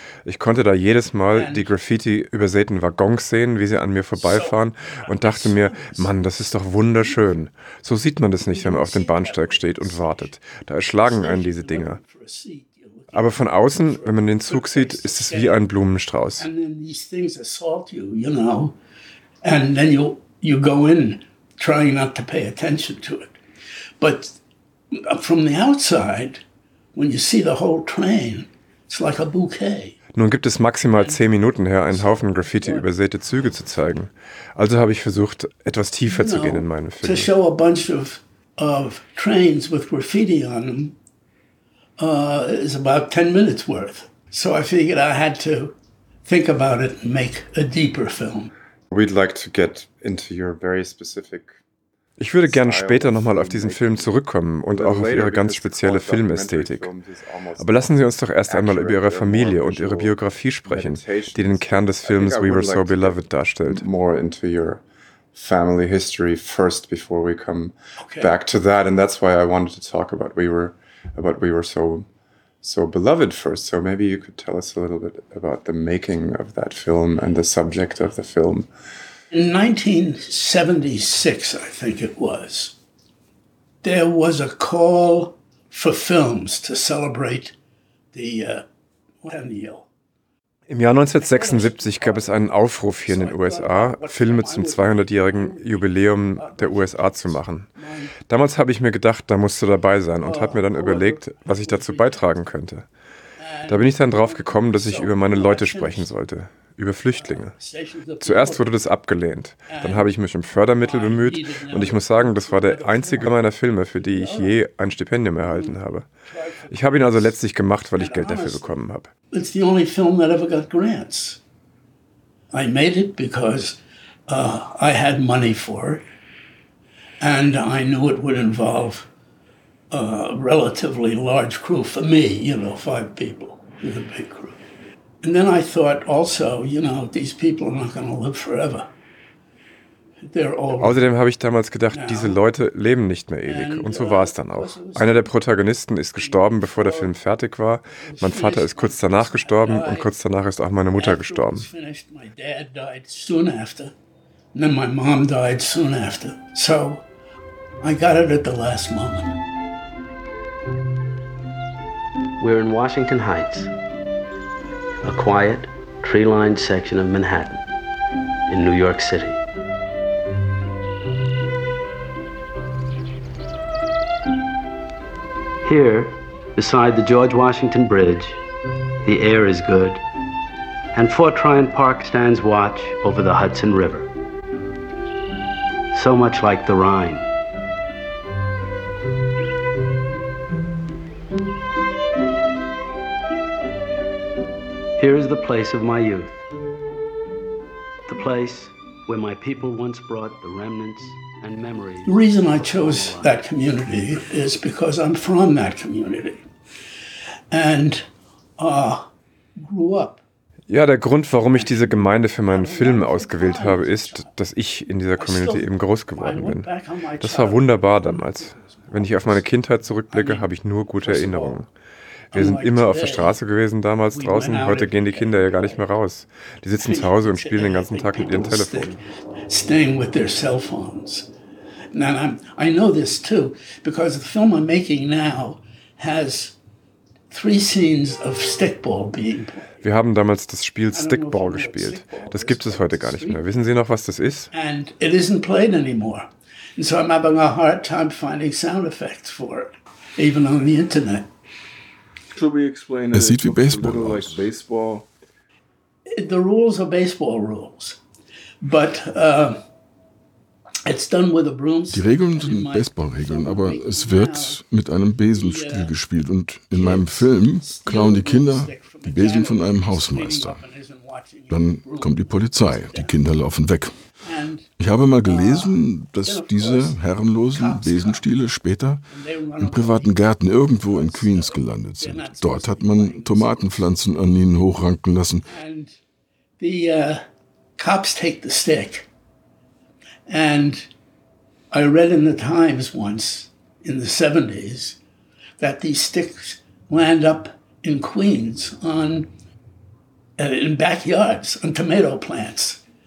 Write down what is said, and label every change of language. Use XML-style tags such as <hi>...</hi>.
<de>Ich konnte da jedes Mal die Graffiti-übersäten Waggons sehen, wie sie an mir vorbeifahren, und dachte mir, Mann, das ist doch wunderschön. So sieht man das nicht, wenn man auf dem Bahnsteig steht und wartet. Da erschlagen einen diese Dinger. Aber von außen, wenn man den Zug sieht, ist es wie ein Blumenstrauß.</de> <en>And then you go in, trying not to pay attention to it. But from the outside, when you see the whole train, it's like a bouquet.</en> <de>Nun gibt es maximal 10 Minuten her, einen Haufen Graffiti-übersäte Züge zu zeigen. Also habe ich versucht, etwas tiefer zu gehen in meinen Film.</de> <en>To show a bunch of trains with graffiti on them is about 10 minutes worth. So I figured I had to think about it and make a deeper film. We'd like to get into your very specific.</en> <de>Ich würde gerne später nochmal auf diesen Film zurückkommen und auch auf Ihre ganz spezielle Filmästhetik. Aber lassen Sie uns doch erst einmal über Ihre Familie und Ihre Biografie sprechen, die den Kern des Films We Were So Beloved darstellt.</de> <en>More into your family history first before we come back to that. And that's why I wanted to talk about We Were So Beloved first. So maybe you could tell us a little bit about the making of that film and the subject of the film. In 1976, I think it was, there was a call for films to celebrate the centennial.</en> <de>Im Jahr 1976 gab es einen Aufruf hier in den USA, Filme zum 200-jährigen Jubiläum der USA zu machen. Damals habe ich mir gedacht, da musst du dabei sein, und habe mir dann überlegt, was ich dazu beitragen könnte. Da bin ich dann drauf gekommen, dass ich über meine Leute sprechen sollte. Über Flüchtlinge. Zuerst wurde das abgelehnt. Dann habe ich mich um Fördermittel bemüht und ich muss sagen, das war der einzige meiner Filme, für die ich je ein Stipendium erhalten habe. Ich habe ihn also letztlich gemacht, weil ich Geld dafür bekommen habe.</de> <en>It's the only film that ever got grants. I made it because I had money for it and I knew it would involve a relatively large crew for me, you know, 5 people in a big crew. And then I thought also, you know, these people are not going to live forever. They're all.</en> <de>Außerdem habe ich damals gedacht, diese Leute leben nicht mehr ewig. Und so war es dann auch. Einer der Protagonisten ist gestorben, bevor der Film fertig war. Mein Vater ist kurz danach gestorben und kurz danach ist auch meine Mutter gestorben.</de> <en>My dad died soon after. And then my mom died soon after. So I got it at the last moment. We're in Washington Heights. A quiet, tree-lined section of Manhattan in New York City. Here, beside the George Washington Bridge, the air is good and Fort Tryon Park stands watch over the Hudson River. So much like the Rhine. Here is the place of my youth. The place where my people once brought the remnants and memories. The reason I chose that community is because I'm from that community. And grew up.</en> <de>Ja, der Grund, warum ich diese Gemeinde für meinen Film ausgewählt habe, ist, dass ich in dieser Community eben groß geworden bin. Das war wunderbar damals. Wenn ich auf meine Kindheit zurückblicke, habe ich nur gute Erinnerungen. Wir sind immer auf der Straße gewesen damals draußen. Heute gehen die Kinder ja gar nicht mehr raus. Die sitzen zu Hause und spielen den ganzen Tag mit ihren Telefonen.</de> <en>Staying with their cell phones. And I know this too, because the film I'm making now has three scenes of stickball being played.</en> <de>Wir haben damals das Spiel Stickball gespielt. Das gibt es heute gar nicht mehr. Wissen Sie noch, was das ist?</de> <en>And it isn't played anymore. And so I'm having a hard time finding sound effects for it, even on the internet.</en> <de>Es sieht wie Baseball aus.</de> <en>The rules are baseball rules, but it's done with a broomstick.</en> <de>Die Regeln sind Baseballregeln, aber es wird mit einem Besenstiel gespielt. Und in meinem Film klauen die Kinder die Besen von einem Hausmeister. Dann kommt die Polizei, die Kinder laufen weg. Ich habe mal gelesen, dass diese herrenlosen Besenstiele später im privaten Garten irgendwo in Queens gelandet sind. Dort hat man Tomatenpflanzen an ihnen hochranken lassen.</de> <en>The cops take the stick. And I read in the Times once in the 70s that these sticks land up in Queens on in backyards on tomato plants.</en>